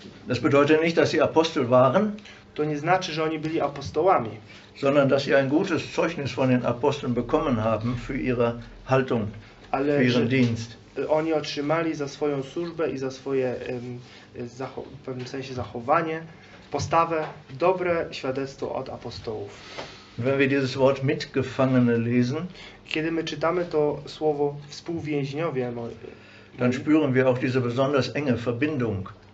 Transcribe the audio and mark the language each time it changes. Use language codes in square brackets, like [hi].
[de] Das bedeutet nicht, dass sie Apostel waren. [pl] To nie znaczy, że oni byli apostołami, [de] sondern dass sie ein gutes Zeugnis von den Aposteln bekommen haben für ihre Haltung, [pl] ale [de] für ihren Dienst. [pl] Oni otrzymali za swoją służbę i za swoje w pewnym sensie zachowanie, postawę, dobre świadectwo od apostołów. [de] Wenn wir dieses Wort Mitgefangene lesen, [pl] kiedy my czytamy to słowo współwięźniowie, [de] dann spüren wir auch diese besonders enge Verbindung.